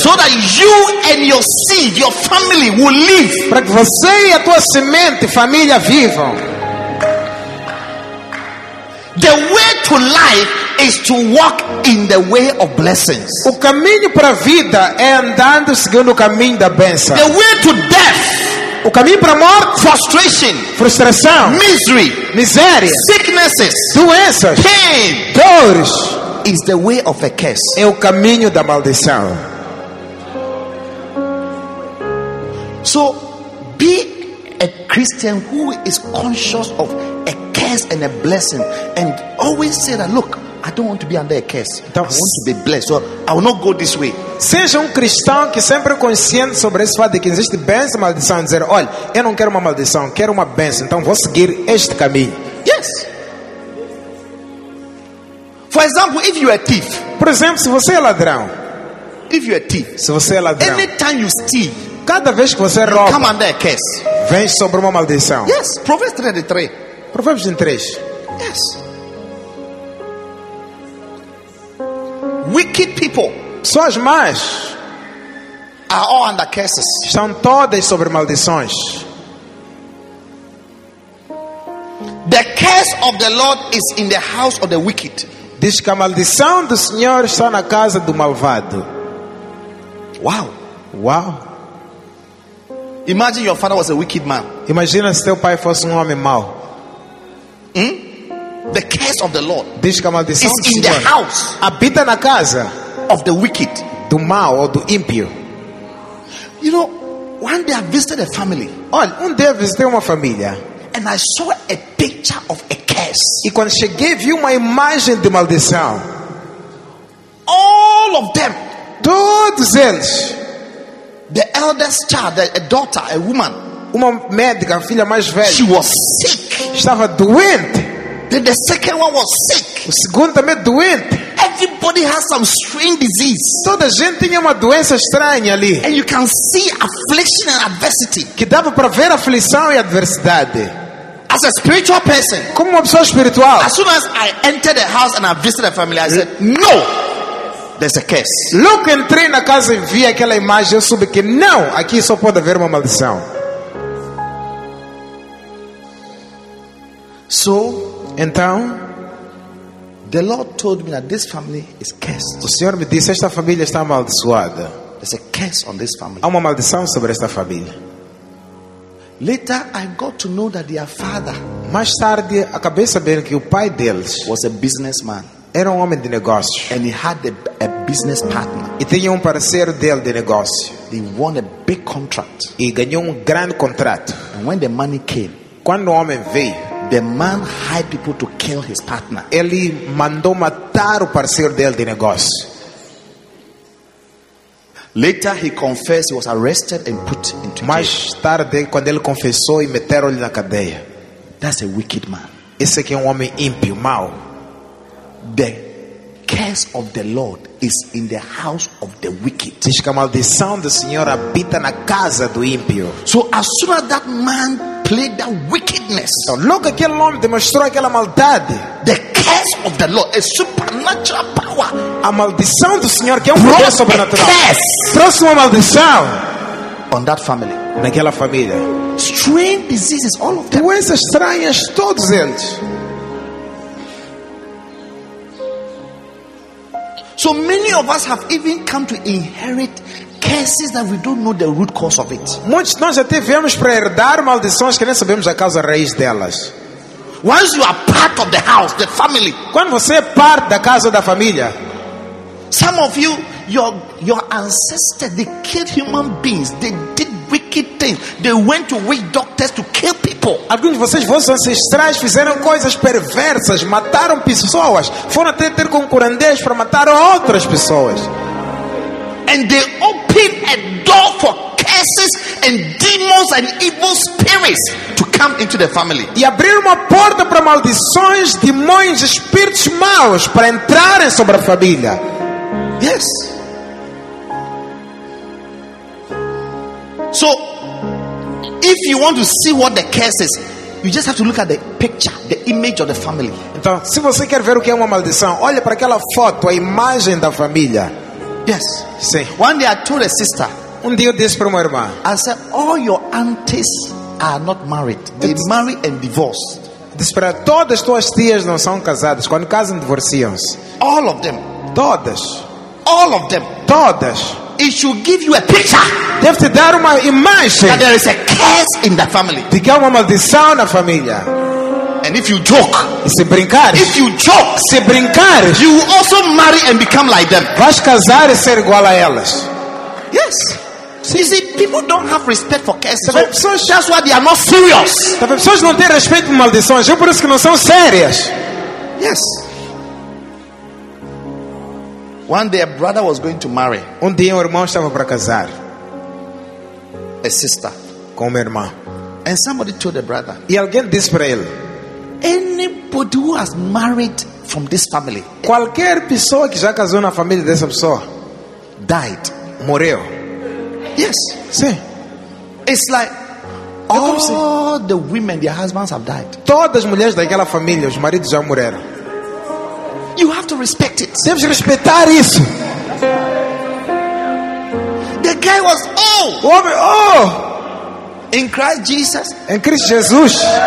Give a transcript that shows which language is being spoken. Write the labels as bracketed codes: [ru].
[en] So that you and your seed, your family will live. [pt] Para que você e a tua semente, família, vivam. [en] The way to life is to walk in the way of blessings. [pt] O caminho para a vida é andando seguindo o caminho da bênção. [en] The way to death. [pt] O caminho para a morte, [en] frustration, [pt] frustração, [en] misery, [pt] miséria, [en] sicknesses, [pt] doenças, [en] pain, [pt] dores, [en] is the way of a curse. [pt] É o caminho da maldição. [en] So, be a Christian who is conscious of a curse and a blessing, and always say that, look, I don't want to be under a curse. [pt] Então, [en] I want to be blessed. So I will not go this way. [pt] Seja cristão que sempre consciente sobre esse fato de que existe bênção e maldição. Dizer, olha, eu não quero uma maldição, quero uma bênção. Então vou seguir este caminho. [en] Yes. For example, if you are a thief. [pt] Por exemplo, se você é ladrão. [en] If you are a thief. [pt] Se você é ladrão. [en] Anytime you steal. [pt] Cada vez que você rouba. [en] Come under a curse. [pt] Vem sobre uma maldição. [en] Yes. [pt] Provérbios 3:3. Provérbios 3. [en] Yes. Wicked people, [pt] só as más, [en] are all under curses. [pt] Estão todas sobre maldições. [en] The curse of the Lord is in the house of the wicked. [pt] Diz que a maldição do Senhor está na casa do malvado. [en] Wow, wow. Imagine your father was a wicked man. [pt] Imagina se teu pai fosse homem mau. [en] Hmm? The curse of the Lord. [pt] Diz que a maldição [en] is in the house. [pt] Habita na casa. [en] Of the wicked. [pt] Do mal ou do ímpio. [en] You know, one day I visited a family. [pt] Olha, dia visitei uma família. [en] And I saw a picture of a curse. [pt] E quando cheguei, vi uma imagem de maldição. [en] All of them. [pt] Todos eles. [en] The eldest child, a daughter, a woman. [pt] Uma médica, a filha mais velha. [en] She was sick. [pt] Estava doente. [en] Then the second one was sick. [pt] O segundo também doente. [en] Everybody has some strange disease. [pt] Toda gente tinha uma doença estranha ali. [en] And you can see affliction and adversity. [pt] Que dava para ver aflição e adversidade. [en] As a spiritual person, [pt] como uma pessoa espiritual. [en] As soon as I entered the house and I visited a family, I said, no, there's a curse. [pt] Logo entrei na casa e vi aquela imagem, eu soube que não, aqui só pode haver uma maldição. [en] So, [pt] então, [en] the Lord told me that this family is cursed. [pt] O Senhor me disse, esta família está amaldiçoada. [en] There's a curse on this family. [pt] Há uma maldição sobre esta família. [en] Later, I got to know that their father, [pt] mais tarde, acabei sabendo que o pai deles [en] was a businessman. [pt] Era homem de negócio. [en] And he had a business partner. [pt] E tinha parceiro dele de negócio. [en] He won a big contract. [pt] E ganhou grande contrato. [en] And when the money came, [pt] quando o homem veio, [en] the man hired people to kill his partner. [pt] Ele mandou matar o parceiro dele de negócio. [en] Later he confessed, he was arrested and put into jail. [pt] Mais tarde, quando ele confessou e meteram-lhe na cadeia. [en] That's a wicked man. [pt] Esse aqui é homem ímpio, mau. [en] The curse of the Lord is in the house of the wicked. [pt] Diz que a maldição do Senhor habita na casa do ímpio. [en] So as soon as that man played that wickedness, [pt] então, logo aquele homem demonstrou aquela maldade. [en] The curse of the Lord, a supernatural power. [pt] A maldição do Senhor, que é um poder sobrenatural, trouxe uma maldição [en] on that family. [pt] Naquela família. [en] Strange diseases, all of them. [pt] Doenças estranhas, todos eles. [en] So many of us have even come to inherit curses that we don't know the root cause of it. [pt] Muitos nós até viemos para herdar maldições que nem sabemos a causa raiz delas. [en] Once you are part of the house, the family. [pt] Quando você é parte da casa da família. [en] Some of you, your ancestors, they killed human beings. They did wicked things. They went to witch doctors to kill people. [pt] Alguns de vocês, vossos ancestrais, fizeram coisas perversas, mataram pessoas, foram até ter com curandeiros para matar outras pessoas. [en] And they open a door for curses and demons and evil spirits to come into the family. [pt] E abrir uma porta para maldições, demônios, espíritos maus para entrarem sobre a família. [en] Yes. So, if you want to see what the curse is, you just have to look at the picture, the image of the family. [pt] Então, se você quer ver o que é uma maldição, olha para aquela foto, a imagem da família. [en] Yes. [pt] Sim. [en] One day I told a sister. [pt] Um dia eu disse para uma irmã. [en] I said, all your aunties are not married. They marry and divorce. [pt] Disse para todas tuas tias não são casadas. Quando casam, divorciam-se. [en] All of them. [pt] Todas. [en] All of them. [pt] Todas. [en] It should give you a picture. [pt] Deve te dar uma imagem. [en] That there is a curse in the family. [pt] De que há uma maldição na família. [en] And if you joke, [pt] se brincares, [en] if you joke, [pt] se brincares, [en] you will also marry and become like them. [pt] Vais casar e ser igual a elas. [en] Yes. [pt] Sim. [en] You see, people don't have respect for curses. So [pt] pessoas, [en] that's why they are not serious. [pt] As pessoas não têm respeito por maldições. É por isso que não são sérias. [en] Yes. One day a brother was going to marry. [pt] Um dia um irmão estava para casar. [en] A sister. [pt] Com uma irmã. [en] And somebody told the brother. [pt] E alguém disse para ele. [en] Anybody who has married from this family. [pt] Qualquer pessoa que já casou na família dessa pessoa. [en] Died. [pt] Morreu. [en] Yes. [pt] Sim. [en] It's like all the women, their husbands have died. [pt] Todas as mulheres daquela família, os maridos já morreram. [en] You have to respect it. [pt] Deves respeitar isso. [en] The guy was old. [pt] O homem, oh! [en] In Christ Jesus. [pt] Em Cristo Jesus.